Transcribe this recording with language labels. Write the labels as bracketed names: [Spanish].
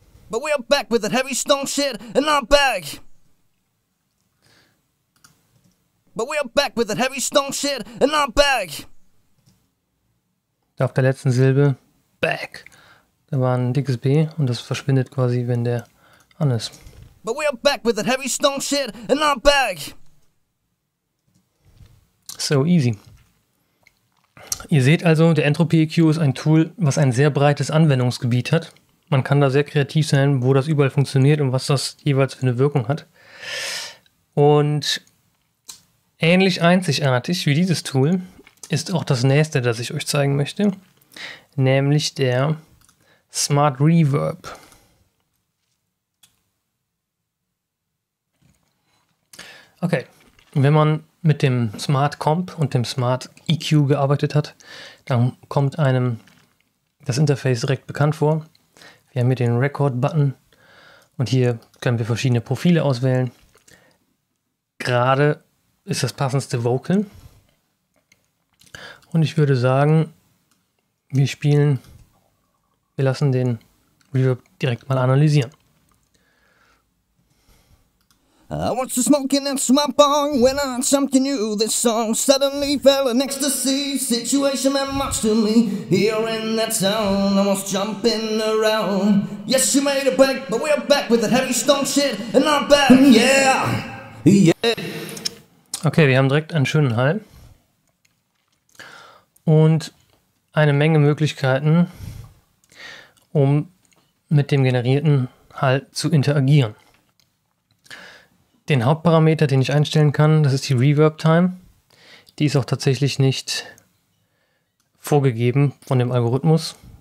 [English] But we are back with that heavy stone shit and I'm back. But we are back with that heavy stone shit and I'm back. [German] Da auf der letzten Silbe, back, da war ein dickes B und das verschwindet quasi, wenn der an ist. [English] But we are back with that heavy stone shit and I'm back. So easy. [German] Ihr seht also, der Entropy-EQ ist ein Tool, was ein sehr breites Anwendungsgebiet hat. Man kann da sehr kreativ sein, wo das überall funktioniert und was das jeweils für eine Wirkung hat. Und ähnlich einzigartig wie dieses Tool ist auch das nächste, das ich euch zeigen möchte, nämlich der Smart Reverb. Okay, wenn man mit dem Smart Comp und dem Smart EQ gearbeitet hat, dann kommt einem das Interface direkt bekannt vor. Wir haben hier den Record-Button und hier können wir verschiedene Profile auswählen. Gerade ist das passendste Vocal. Und ich würde sagen, wir lassen den Reverb direkt mal analysieren. [English] I was smoking and smoking when I heard something new. This song suddenly fell in ecstasy. Situation meant much to me. Hearing that sound, I was jumping around. Yes, you made it back, but we're back with that heavy stone shit. And I'm back, yeah, yeah. [German] Okay, wir haben direkt einen schönen Hall und eine Menge Möglichkeiten, um mit dem generierten Hall zu interagieren. Den Hauptparameter, den ich einstellen kann, das ist die Reverb Time. Die ist auch tatsächlich nicht vorgegeben von dem Algorithmus.